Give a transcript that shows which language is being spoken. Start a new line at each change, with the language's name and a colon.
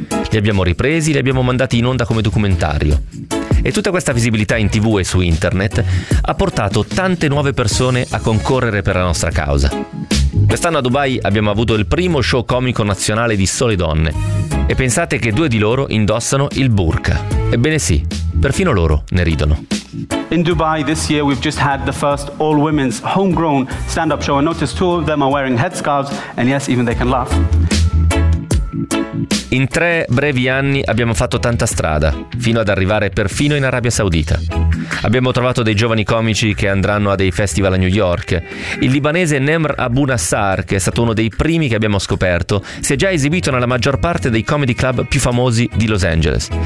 Italian: Li abbiamo ripresi, li abbiamo mandati in onda come documentario. E tutta questa visibilità in TV e su internet ha portato tante nuove persone a concorrere per la nostra causa. Quest'anno a Dubai abbiamo avuto il primo show comico nazionale di sole donne. E pensate che 2 di loro indossano il burqa. Ebbene sì, perfino loro ne ridono.
English: In Dubai this year we've just had the first all women's homegrown stand-up show. I noticed 2 of them are wearing headscarves and yes, even they can laugh.
Italian: In 3 brevi anni abbiamo fatto tanta strada, fino ad arrivare perfino in Arabia Saudita. Abbiamo trovato dei giovani comici che andranno a dei festival a New York. Il libanese Nemr Abu Nassar, che è stato uno dei primi che abbiamo scoperto, si è già esibito nella maggior parte dei comedy club più famosi di Los Angeles.